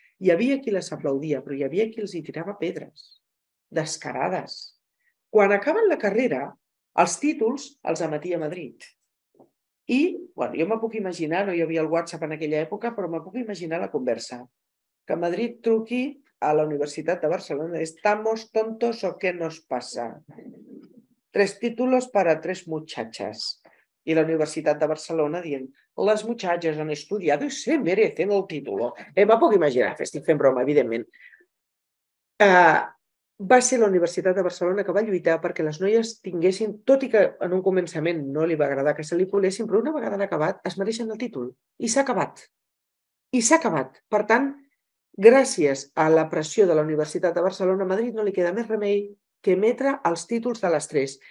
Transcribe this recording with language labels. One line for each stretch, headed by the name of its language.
Catalan: Hi havia qui les aplaudia, però hi havia qui els hi tirava pedres, descarades. Quan acaben la carrera, els títols els emetia a Madrid. I, bueno, jo me puc imaginar, no hi havia el WhatsApp en aquella època, però me puc imaginar la conversa. Que Madrid truqui a la Universitat de Barcelona.
Spanish: ¿Estamos tontos o qué nos pasa? Tres títulos para tres muchachas.
Catalan: I la Universitat de Barcelona dient: les
Spanish: muchachas han estudiado y se merecen el título.
Catalan: Me puc imaginar, estic fent broma, evidentment. Va ser la Universitat de Barcelona que va lluitar perquè les noies tinguessin, tot i que en un començament no li va agradar que se li poguessin, però una vegada han acabat, es mereixen el títol. I s'ha acabat. I s'ha acabat. Per tant, gràcies a la pressió de la Universitat de Barcelona, a Madrid no li queda més remei que emetre els títols de les tres.